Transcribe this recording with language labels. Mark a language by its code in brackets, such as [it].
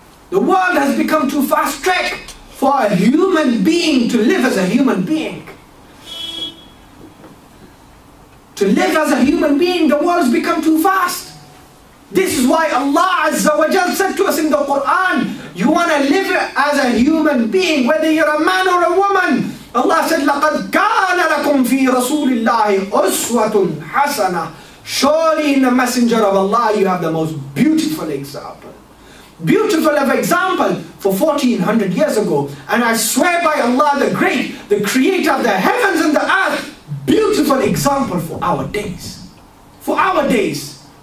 [en] The world has become too fast track for a human being to live as a human being. To live as a human being, the world has become too fast. This is why Allah Azza wa Jal said to us in the Quran, you want to live as a human being, whether you're a man or a woman. Allah said, [ar] لَقَدْ كَانَ لَكُمْ فِي رَسُولِ اللَّهِ أُسْوَةٌ حَسَنَةٌ. [en] Surely in the Messenger of Allah, you have the most beautiful example. Beautiful of example for 1400 years ago. And I swear by Allah the Great, the Creator of the heavens and the earth, beautiful example for our days. For our days.